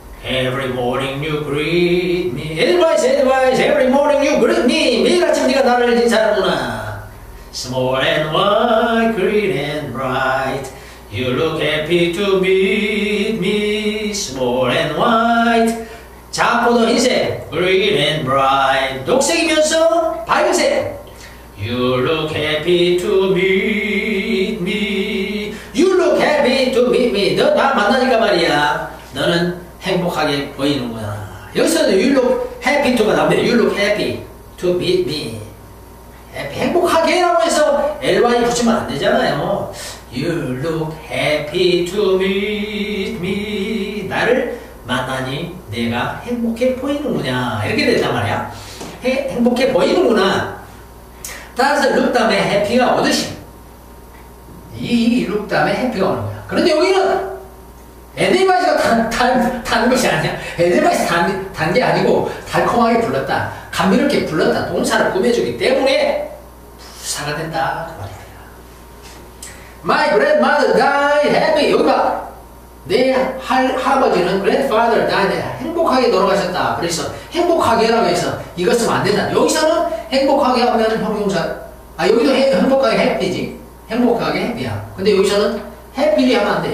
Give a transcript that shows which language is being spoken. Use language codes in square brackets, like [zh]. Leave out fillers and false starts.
[en] Every morning you greet me. Advice, advice. Every morning you greet me. [ko] 매일 아침 네가 나를 인사하는구나. [en] Small and white, green and bright. You look happy to meet me, small and white. [ko] 작고도 흰색, [en] green and bright. [ko] 녹색이면서 밝은색. [en] You look happy to meet me. You look happy to meet me. [ko] 너 나 만나니까 말이야. 너는 행복하게 보이는구나. [en] 여기서는 you look happy to가 나옵니다. You look happy to meet me. [ko] 행복하게라고 해서 ly 붙이면 안 되잖아요. [en] You look happy to meet me. [ko] 나를 만나니 내가 행복해 보이는구나. 이렇게 된단 말이야. 행복해 보이는구나. 따라서 look 다음에 happy가 오듯이 이 look 다음에 happy가 오는 거야. 그런데 여기는 advice가 단 것이 아니야. advice 단 게 아니고 달콤하게 불렀다. 감미롭게 불렀다. 동사를 꾸며주기 때문에 부사가 된다. 그 말이야. [en] My grandmother died happy. [ko] 여기 봐. 내 할아버지는 [en] grandfather died [ko] 행복하게 돌아가셨다. 그래서 행복하게라고 해서 이것은 안 된다. 여기서는 행복하게 하면 형용사. 아, 여기도 행복하게 happy지. 행복하게 happy야. 근데 여기서는 happy를 하면 안 돼.